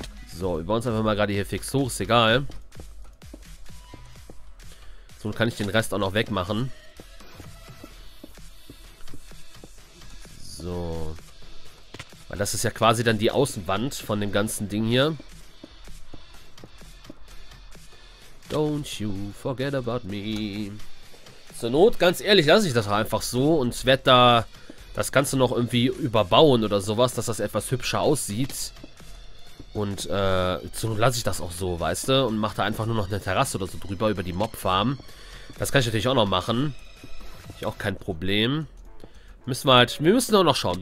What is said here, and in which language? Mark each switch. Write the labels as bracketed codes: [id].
[de] So, wir bauen uns einfach mal gerade hier fix hoch, ist egal. So kann ich den Rest auch noch wegmachen. So. Weil das ist ja quasi dann die Außenwand von dem ganzen Ding hier. [en] Don't you forget about me. [de] Zur Not, ganz ehrlich, lasse ich das einfach so und werde da das Ganze noch irgendwie überbauen oder sowas, dass das etwas hübscher aussieht. Und so lasse ich das auch so, weißt du? Und mache da einfach nur noch eine Terrasse oder so drüber, über die Mobfarm. Das kann ich natürlich auch noch machen. Ich auch kein Problem. Müssen wir halt... Wir müssen auch noch schauen.